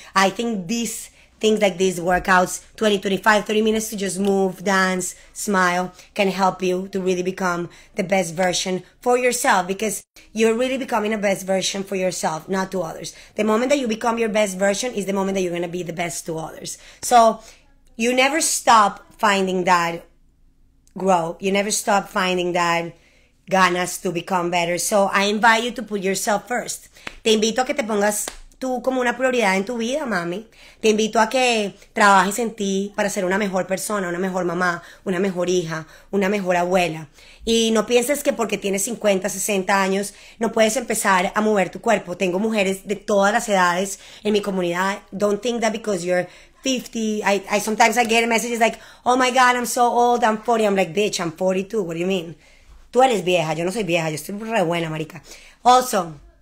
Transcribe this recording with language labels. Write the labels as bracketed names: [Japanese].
[English] I think these things like these workouts, 20, 25, 30 minutes to just move, dance, smile, can help you to really become the best version for yourself, because you're really becoming a best version for yourself, not to others. The moment that you become your best version is the moment that you're gonna be the best to others. So you never stop finding that grow. You never stop finding that ganas to become better. So I invite you to put yourself first. [Spanish] Te invito a que te pongas tú como una prioridad en tu vida, mami. Te invito a que trabajes en ti para ser una mejor persona, una mejor mamá, una mejor hija, una mejor abuela. Y no pienses que porque tienes 50, 60 años, no puedes empezar a mover tu cuerpo. Tengo mujeres de todas las edades en mi comunidad. [English] Don't think that because you're 50, I sometimes get messages like, oh my God, I'm so old, I'm 40. I'm like, bitch, I'm 42, what do you mean? [Spanish] Tú eres vieja, yo no soy vieja, yo estoy re buena, marica. Also,